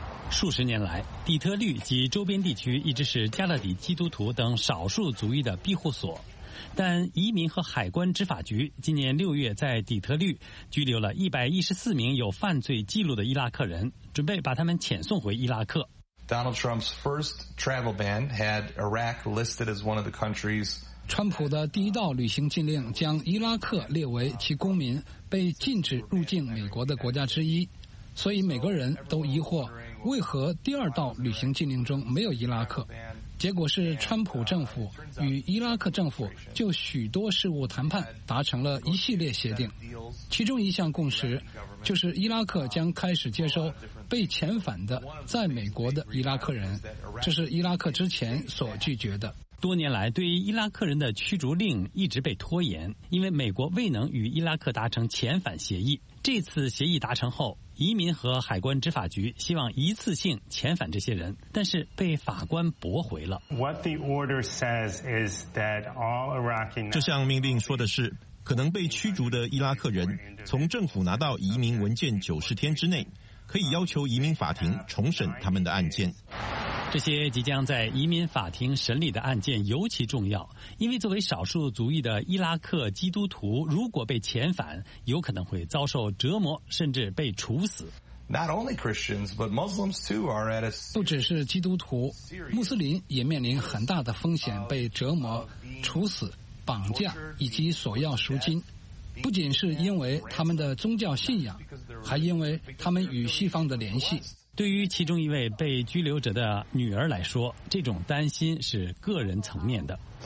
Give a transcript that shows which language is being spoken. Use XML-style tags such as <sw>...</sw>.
<zh>数十年来，底特律及周边地区一直是加勒底基督徒等少数族裔的庇护所，但移民和海关执法局今年六月在底特律拘留了114名有犯罪记录的伊拉克人，准备把他们遣送回伊拉克。</zh> <en>Donald Trump's first travel ban had Iraq listed as one of the countries.</en> <zh>川普的第一道旅行禁令将伊拉克列为其公民被禁止入境美国的国家之一，所以美国人都疑惑为何第二道旅行禁令中没有伊拉克。结果是川普政府与伊拉克政府就许多事务谈判达成了一系列协定，其中一项共识就是伊拉克将开始接收被遣返的在美国的伊拉克人，这是伊拉克之前所拒绝的。多年来对伊拉克人的驱逐令一直被拖延，因为美国未能与伊拉克达成遣返协议。这次协议达成后，移民和海关执法局希望一次性遣返这些人，但是被法官驳回了。</zh> <en>What the order says is that all Iraqi</en> <zh>这项命令说的是，可能被驱逐的伊拉克人从政府拿到移民文件90天之内，可以要求移民法庭重审他们的案件。这些即将在移民法庭审理的案件尤其重要，因为作为少数族裔的伊拉克基督徒，如果被遣返，有可能会遭受折磨，甚至被处死。</zh> <en>Not only Christians, but Muslims too are at a</en> <zh>不只是基督徒，穆斯林也面临很大的风险，被折磨、处死、绑架以及索要赎金。不仅是因为他们的宗教信仰，还因为他们与西方的联系。对于其中一位被拘留者的女儿来说，这种担心是个人层面的。</zh>